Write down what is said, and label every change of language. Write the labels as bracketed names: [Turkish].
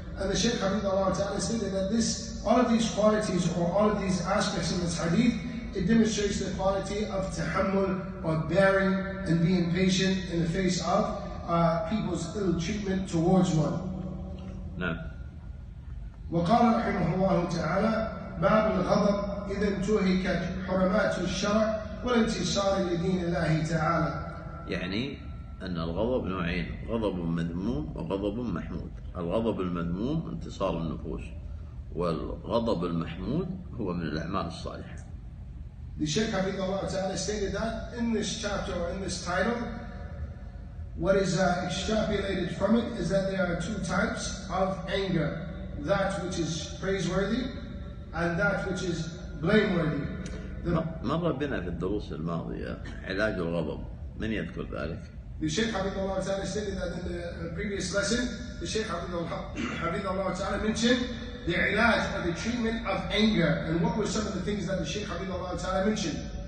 [English] And the Shaykh Hafidhahullah Ta'ala stated that this, all of these qualities or all of these aspects in this hadith, it demonstrates the quality of tahammul, or bearing and being patient in the face of people's ill treatment towards one. No. [Arabic] وقال رحمه الله تعالى باب الغضب إذا انتهكت حرمات الشرع والانتصار لدين الله تعالى. يعني أن الغضب نوعين غضب مذموم وغضب محمود الغضب المذموم انتصار النفوس والغضب المحمود هو من الأعمال الصالحة. [English] The Shaykh Hafidhahullah Ta'ala stated that in this chapter or in this title, what is extrapolated from it is that there are two types of anger, that which is praiseworthy and that which is blameworthy. [Arabic] مر بنا في الدروس الماضية علاج الغضب من يذكر ذلك؟ [English] The Shaykh Hafidhullah Ta'ala stated that in the previous lesson, the Shaykh Hafidhullah Ta'ala mentioned the ilaj, or the treatment of anger. And what were some of the things that the Shaykh Hafidhullah Ta'ala mentioned?